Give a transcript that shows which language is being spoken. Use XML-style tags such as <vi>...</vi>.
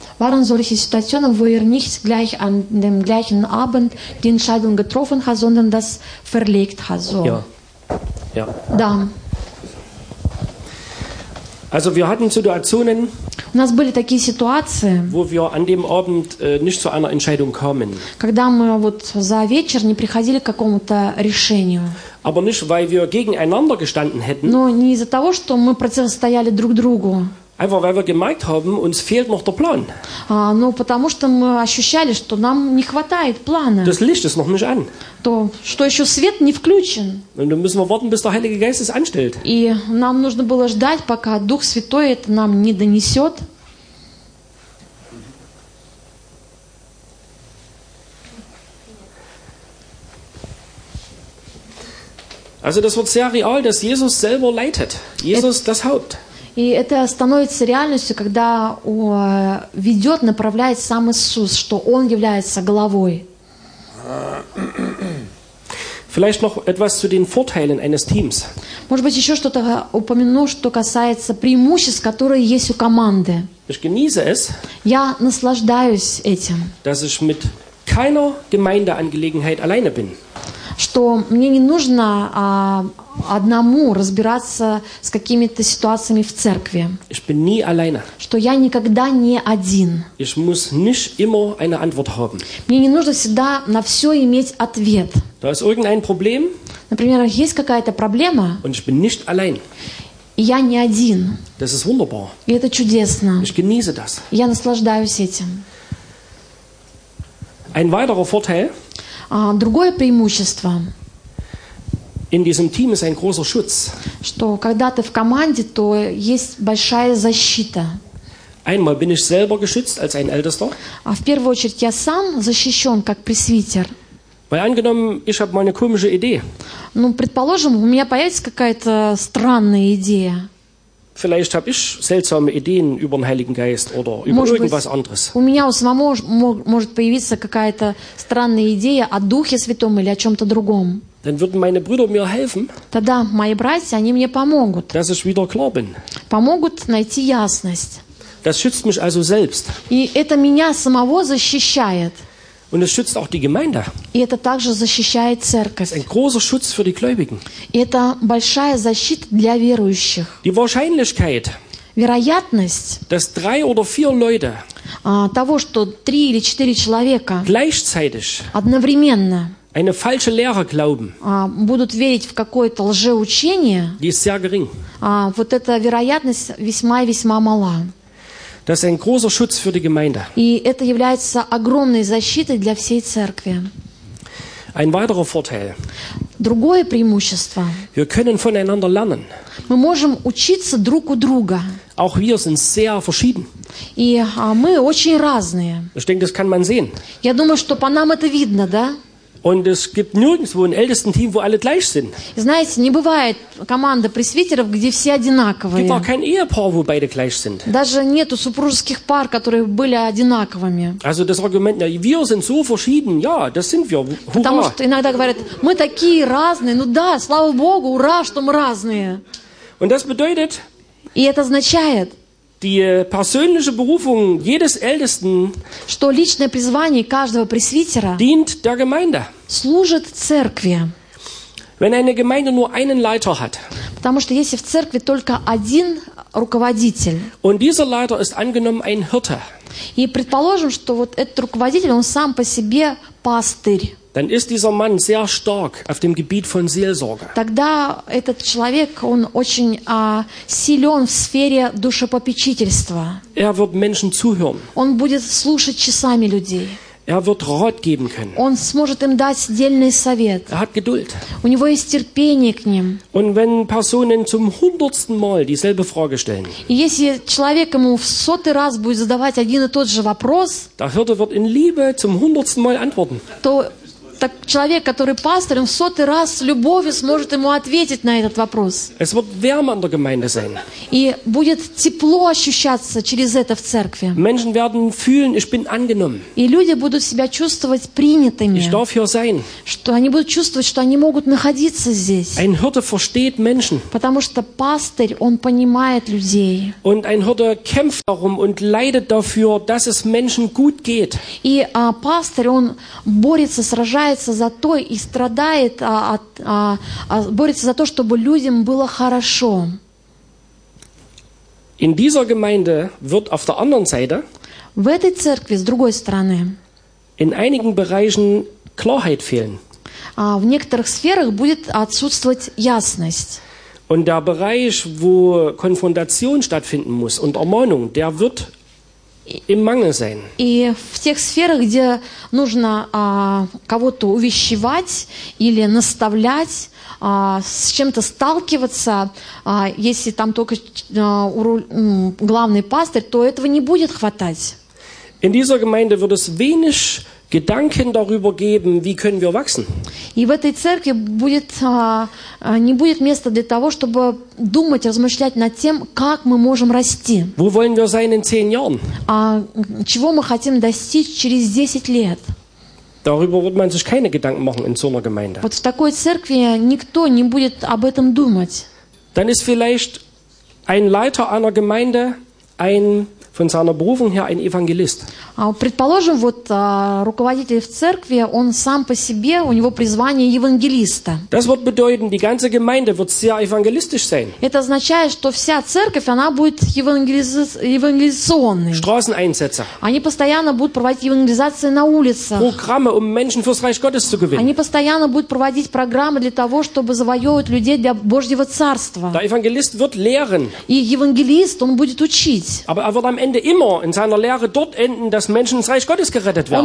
<de>Waren solche Situationen, wo ihr nicht gleich an dem gleichen Abend die Entscheidung getroffen habt, sondern das verlegt habt? So. Ja. Ja.</de> <ru>Да.</ru> <de>Also wir hatten Situationen,</de> <ru>у нас были такие ситуации,</ru> <de>wo wir an dem Abend, nicht zu einer Entscheidung kamen.</de> <ru>Когда мы вот за вечер не приходили к какому-то решению.</ru> <de>Aber nicht, weil wir gegeneinander gestanden hätten.</de> <ru>Но не из-за того, что мы противостояли друг другу.</ru> <de>Einfach, weil wir gemerkt haben, uns fehlt noch der Plan.</de> <ru>Но потому что мы ощущали, что нам не хватает плана.</ru> <de>Das Licht ist noch nicht an.</de> <ru>То, что еще свет не включен.</ru> <de>Und dann müssen wir warten, bis der Heilige Geist es anstellt.</de> <ru>И нам нужно было ждать, пока Дух Святой это нам не донесет.</ru> <de>Also das wird sehr real, dass Jesus selber leitet. Jesus das Haupt.</de> <ru>И это становится реальностью, когда ведет, направляет сам Иисус, что Он является главой.</ru> <de>Vielleicht noch etwas zu den Vorteilen eines Teams.</de> <ru>Может быть, еще что-то упомяну, что касается преимуществ, которые есть у команды.</ru> <de>Ich genieße es,</de> <ru>я наслаждаюсь этим,</ru> <de>dass ich mit keiner Gemeindeangelegenheit alleine bin.</de> <ru>Что мне не нужно одному разбираться с какими-то ситуациями в церкви.</ru> <de>Ich bin nie alleine.</de> <ru>Что я никогда не один.</ru> <de>Ich muss nicht immer eine Antwort haben.</de> <ru>Мне не нужно всегда на все иметь ответ.</ru> <de>Da ist irgendein Problem,</de> <ru>например, есть какая-то проблема.</ru> <de>Und ich bin nicht allein.</de> <ru>И я не один.</ru> <de>Das ist wunderbar.</de> <ru>И это чудесно.</ru> <de>Ich genieße das.</de> <ru>Я наслаждаюсь этим.</ru> <de>Ein weiterer Vorteil.</de> <ru>Другое преимущество.</ru> <de>In diesem Team ist ein großer Schutz.</de> <ru>Что когда ты в команде, то есть большая защита.</ru> <de>Einmal bin ich selber geschützt als ein Ältester.</de> <ru>А в первую очередь я сам защищен как пресвитер.</ru> <de>Weil angenommen, ich habe mal eine komische Idee.</de> <ru>Ну, предположим, у меня появится какая-то странная идея.</ru> <de>Vielleicht habe ich seltsame Ideen über den Heiligen Geist oder über irgendwas anderes.</de> <ru>У меня у самого может появиться какая-то странная идея о Духе Святом или о чем-то другом.</ru> <de>Dann würden meine Brüder mir helfen.</de> <ru>Тогда мои братья, они мне помогут.</ru> <de>Dass ich wieder klar bin.</de> <ru>Помогут найти ясность.</ru> <de>Das schützt mich also selbst.</de> <ru>И это меня самого защищает.</ru> <de>Und es schützt auch die Gemeinde.</de> <ru>И это также защищает церковь.</ru> <de>Ein großer Schutz für die Gläubigen.</de> <ru>И это большая защита для верующих.</ru> <de>Die Wahrscheinlichkeit.</de> <ru>Вероятность.</ru> <de>Dass drei oder vier Leute.</de> <ru>Того, что три или четыре человека.</ru> <de>Gleichzeitig.</de> <ru>Одновременно.</ru> <de>Eine falsche Lehre glauben.</de> <ru>Будут верить в какое-то лжеучение.</ru> <de>Die ist sehr gering.</de> <ru>Вот эта вероятность весьма-весьма мала.</ru> <de>Das ist ein großer Schutz für die Gemeinde.</de> <ru>И это является огромной защитой для всей церкви.</ru> <de>Ein weiterer Vorteil.</de> <ru>Другое преимущество.</ru> <de>Wir können voneinander lernen.</de> <ru>Мы можем учиться друг у друга.</ru> <de>Auch wir sind sehr verschieden.</de> <ru>И мы очень разные.</ru> <de>Ich denke, das kann man sehen.</de> <ru>Я думаю, что по нам это видно, да?</ru> <de>Und es gibt nirgendwo ein Ältestenteam, wo alle gleich sind.</de> <ru>Знаете, не бывает команда пресвитеров, где все одинаковые.</ru> <de>Gibt auch kein Ehepaar, wo beide gleich sind.</de> <ru>Даже нету супружеских пар, которые были одинаковыми.</ru> <de>Also das Argument, wir sind so verschieden, ja, das sind wir. Hurra.</de> <ru>Потому что иногда говорят, мы такие разные. Ну да, слава Богу, ура, что мы разные.</ru> <de>Und das bedeutet.</de> <ru>И это означает.</ru> <de>Die persönliche Berufung jedes Ältesten,</de> <ru>что личное призвание каждого пресвитера,</ru> <de>dient der Gemeinde.</de> <ru>Служит церкви.</ru> <de>Wenn eine Gemeinde nur einen Leiter hat,</de> <ru>потому что если в церкви только один руководитель,</ru> <de>und dieser Leiter ist angenommen ein Hirte,</de> <ru>и предположим, что вот этот руководитель, он сам по себе пастырь,</ru> <de>dann ist dieser Mann sehr stark auf dem Gebiet von Seelsorge.</de> <ru>Тогда этот человек, он очень силен в сфере душепопечительства.</ru> <de>Er wird Menschen zuhören.</de> <ru>Он будет слушать часами людей.</ru> <de>Er wird Rat geben können.</de> <ru>Он сможет им дать дельный совет.</ru> <de>Er hat Geduld.</de> <ru>У него есть терпение к ним.</ru> <de>Und wenn Personen zum hundertsten Mal dieselbe Frage stellen,</de> <ru>и если человек ему в сотый раз будет задавать один и тот же вопрос,</ru> <de>der Hirte wird in Liebe zum hundertsten Mal antworten.</de> <ru>То так человек, который пастор, он в сотый раз с любовью сможет ему ответить на этот вопрос.</ru> <de>Es wird wärmer in der Gemeinde sein.</de> <ru>И будет тепло ощущаться через это в церкви.</ru> <de>Menschen werden fühlen, ich bin angenommen.</de> <ru>И люди будут себя чувствовать принятыми.</ru> <de>Ich darf hier sein.</de> <ru>Что они будут чувствовать, что они могут находиться здесь.</ru> <de>Ein Hirte versteht Menschen.</de> <ru>Потому что пастырь, он понимает людей.</ru> <de>Und ein Hirte kämpft darum und leidet dafür, dass es Menschen gut geht.</de> <ru>И пастырь, он борется, сражается за то и страдает, борется за то, чтобы людям было хорошо.</ru> <de>In dieser Gemeinde wird auf der anderen Seite,</de> <ru>в этой церкви, с другой стороны,</ru> <de>in einigen Bereichen Klarheit fehlen.</de> <ru>В некоторых сферах будет отсутствовать ясность.</ru> <de>Und der Bereich, wo Konfrontation stattfinden muss und Ermahnung, der wird im Mangel sein.</de> <ru>И в тех сферах, где нужно кого-то увещевать или наставлять, с чем-то сталкиваться, если там только главный пастырь, то этого не будет хватать.</ru> <de>In dieser Gemeinde wird es wenig Gedanken darüber geben, wie können wir wachsen.</de> <ru>И в этой церкви будет, не будет места для того, чтобы думать, размышлять над тем, как мы можем расти.</ru> <de>Wo wollen wir sein in 10 Jahren?</de> <ru>Чего мы хотим достичь через 10 лет?</ru> <de>Darüber wird man sich keine Gedanken machen in so einer Gemeinde.</de> <ru>Вот в такой церкви никто не будет об этом думать.</ru> <de>Dann ist vielleicht ein Leiter einer Gemeinde ein von seiner Berufung her ein Evangelist.</de> <ru>Предположим, вот руководитель в церкви, он сам по себе, у него призвание евангелиста.</ru> <de>Das wird bedeuten, die ganze Gemeinde wird sehr evangelistisch sein.</de> <ru>Это означает, что вся церковь, она будет евангелизационной.</ru> <de>Straßeneinsätze.</de> <ru>Они постоянно будут проводить евангелизации на улицах.</ru> <de>Programme, um Menschen fürs Reich Gottes zu gewinnen.</de> <ru>Они постоянно будут проводить программы для того, чтобы завоевывать людей для Божьего царства.</ru> <de>Der Evangelist wird lehren.</de> <ru>И евангелист, он будет учить.</ru> <de>Aber er wird am Ende immer in seiner Lehre dort enden, dass Menschen ins Reich Gottes gerettet werden.</de>